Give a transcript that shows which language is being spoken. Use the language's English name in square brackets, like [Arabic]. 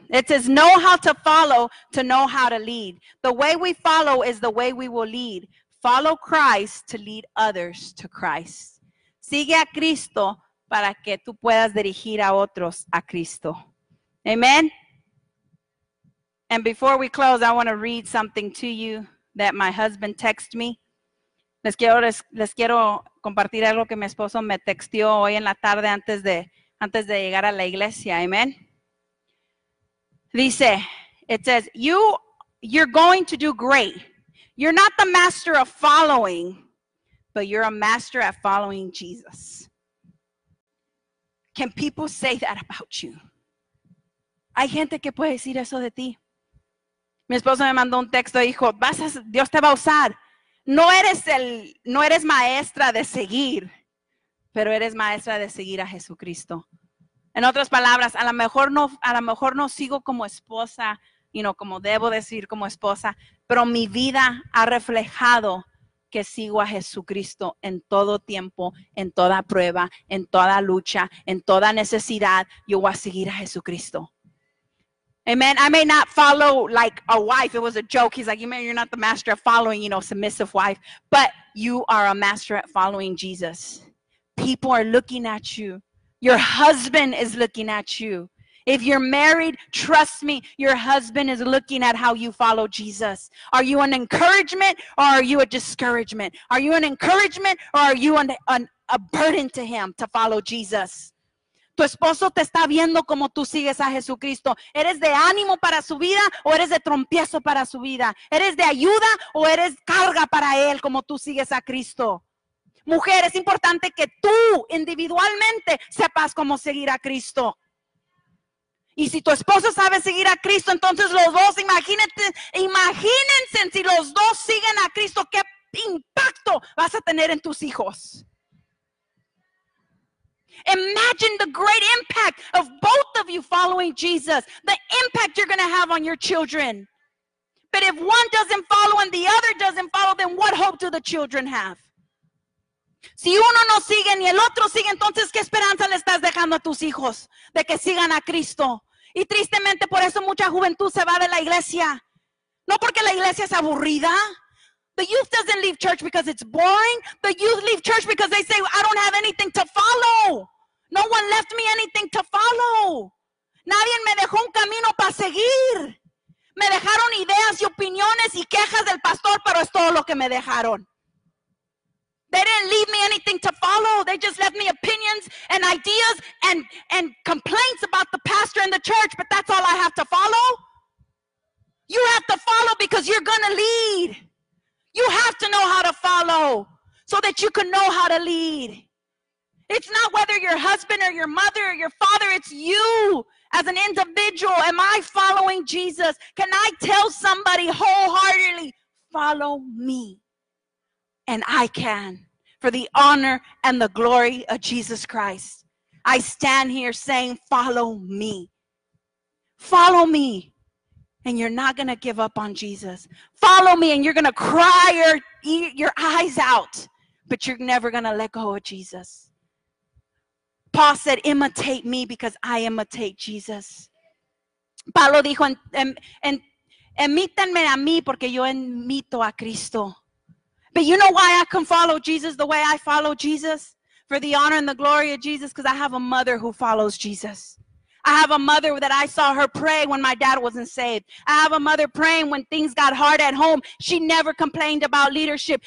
[English] It says, know how to follow to know how to lead. The way we follow is the way we will lead. Follow Christ to lead others to Christ. [Spanish] Sigue a Cristo para que tú puedas dirigir a otros a Cristo. Amen. [English] And before we close, I want to read something to you that my husband texted me. [Spanish] Les quiero compartir algo que mi esposo me textió hoy en la tarde antes de llegar a la iglesia. [English] Amen. Dice, it says, you're going to do great. You're not the master of following, but you're a master at following Jesus. Can people say that about you? [Spanish] Hay gente que puede decir eso de ti. Mi esposo me mandó un texto, dijo, Dios te va a usar. No eres el, no eres maestra de seguir, pero eres maestra de seguir a Jesucristo. En otras palabras, a lo mejor no sigo como esposa, y no como debo decir como esposa, pero mi vida ha reflejado que sigo a Jesucristo en todo tiempo, en toda prueba, en toda lucha, en toda necesidad. Yo voy a seguir a Jesucristo. [English] Amen. I may not follow like a wife. It was a joke. He's like, you're not the master of following, you know, submissive wife. But you are a master at following Jesus. People are looking at you. Your husband is looking at you. If you're married, trust me, your husband is looking at how you follow Jesus. Are you an encouragement or are you a discouragement? Are you an encouragement or are you a burden to him to follow Jesus? [Spanish] Tu esposo te está viendo como tú sigues a Jesucristo. ¿Eres de ánimo para su vida o eres de trompiezo para su vida? ¿Eres de ayuda o eres carga para él como tú sigues a Cristo? Mujer, es importante que tú individualmente sepas cómo seguir a Cristo. Y si tu esposo sabe seguir a Cristo, entonces los dos, imagínense si los dos siguen a Cristo, ¿qué impacto vas a tener en tus hijos? [English] Imagine the great impact of both of you following Jesus, the impact you're going to have on your children. But if one doesn't follow and the other doesn't follow, then what hope do the children have? [Spanish] Si uno no sigue ni el otro sigue, entonces ¿qué esperanza le estás dejando a tus hijos de que sigan a Cristo? Y tristemente por eso mucha juventud se va de la iglesia. No porque la iglesia es aburrida. [English] The youth doesn't leave church because it's boring. The youth leave church because they say, I don't have anything to follow. No one left me anything to follow. [Spanish] Nadie me dejó un camino para seguir. Me dejaron ideas y opiniones y quejas del pastor, pero es todo lo que me dejaron. [English] They didn't leave me anything to follow. They just left me opinions and ideas and complaints about the pastor and the church, but that's all I have to follow. You have to follow because you're going to lead. You have to know how to follow so that you can know how to lead. It's not whether your husband or your mother or your father, it's you as an individual. Am I following Jesus? Can I tell somebody wholeheartedly, follow me? And I can, for the honor and the glory of Jesus Christ. I stand here saying, follow me. Follow me, and you're not going to give up on Jesus. Follow me, and you're going to cry your eyes out, but you're never going to let go of Jesus. Paul said, imitate me because I imitate Jesus. [Spanish] Pablo dijo, imítenme a mí porque yo imito a Cristo. [English] But you know why I can follow Jesus the way I follow Jesus? For the honor and the glory of Jesus, because I have a mother who follows Jesus. I have a mother that I saw her pray when my dad wasn't saved. I have a mother praying when things got hard at home. She never complained about leadership.